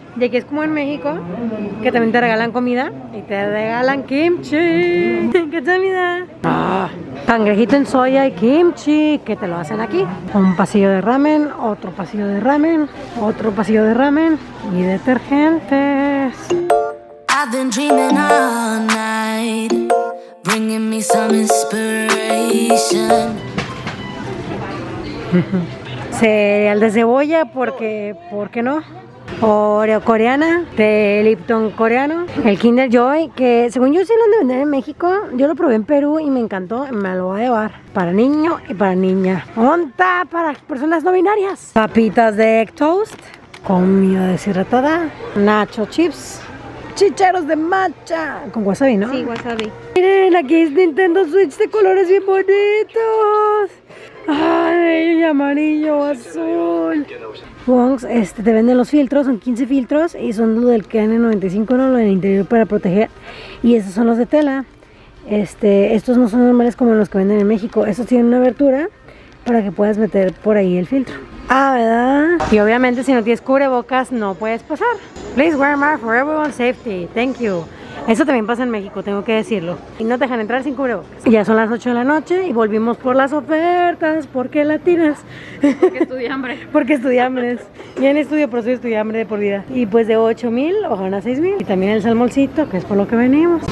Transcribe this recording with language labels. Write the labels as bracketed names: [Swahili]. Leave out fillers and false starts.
[Spanish] Y aquí es como en México, que también te regalan comida y te regalan kimchi. ¿Qué comida? Cangrejito en soya y kimchi, que te lo hacen aquí. Un pasillo de ramen, otro pasillo de ramen, otro pasillo de ramen y detergentes. [English] I've been dreaming all night, bringing me some inspiration. [Spanish] Cereal de cebolla, porque ¿por qué no? Oreo coreana, té Lipton coreano, el Kinder Joy, que según yo sí lo han de vender en México. Yo lo probé en Perú y me encantó, me lo voy a llevar. Para niño y para niña. ¡Onta! Para personas no binarias. Papitas de egg toast, comida deshidratada, nacho chips, chicheros de matcha. Con wasabi, ¿no? Sí, wasabi. Miren, aquí es Nintendo Switch de colores bien bonitos. Ay, amarillo, azul. Wongs, te venden los filtros, son 15 filtros y son los del KN95, ¿no? Lo del interior para proteger. Y esos son los de tela. Estos no son normales como los que venden en México. Estos tienen una abertura para que puedas meter por ahí el filtro. Ah, ¿verdad? Y obviamente si no tienes cubrebocas no puedes pasar. [English] Please wear a mask for everyone's safety. Thank you. [Spanish] Eso también pasa en México, tengo que decirlo. Y no te dejan entrar sin cubrebocas. Ya son las 8 de la noche y volvimos por las ofertas. ¿Por qué latinas? Porque estudié hambre. Porque estudié hambre. Ya en estudio, pero soy estudié hambre de por vida. Y pues de 8,000 bajaron a 6,000. Y también el salmoncito, que es por lo que venimos.